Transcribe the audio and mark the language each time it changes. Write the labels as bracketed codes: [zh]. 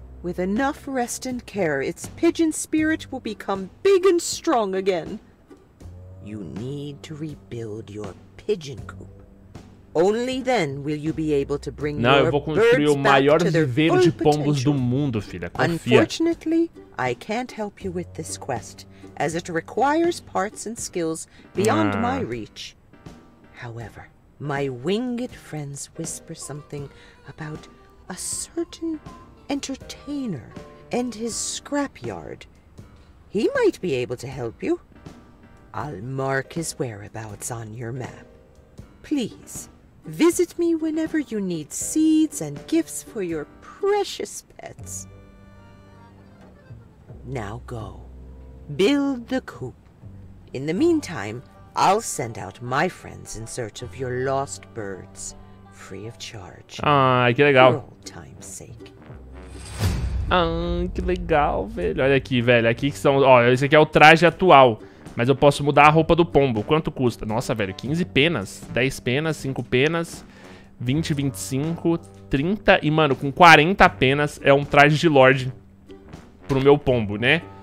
[en] With enough rest and care, its pigeon spirit will become big and strong again. You need to rebuild your pigeon coop. Only then will you be able to bring [pt] Não, [en] your [pt] eu vou construir o maior viveiro de pombos [en] potential. [pt] Do mundo, filha. Confia. [en] Unfortunately, I can't help you with this quest, as it requires parts and skills beyond my reach. However, my winged friends whisper something about a certain entertainer and his scrapyard. He might be able to help you. I'll mark his whereabouts on your map. Please, visit me whenever you need seeds and gifts for your precious pets. Now go. Build the coop. In the meantime, I'll send out my friends in search of your lost birds, free of charge. [pt] Ah, que legal. [en] For old time's sake. [pt] Ah, que legal, velho. Olha aqui, velho. Aqui que são. Ó, esse aqui é o traje atual. Mas eu posso mudar a roupa do pombo. Quanto custa? Nossa, velho, 15 penas. 10 penas, 5 penas. 20, 25, 30. E, mano, com 40 penas é um traje de Lorde pro meu pombo, né?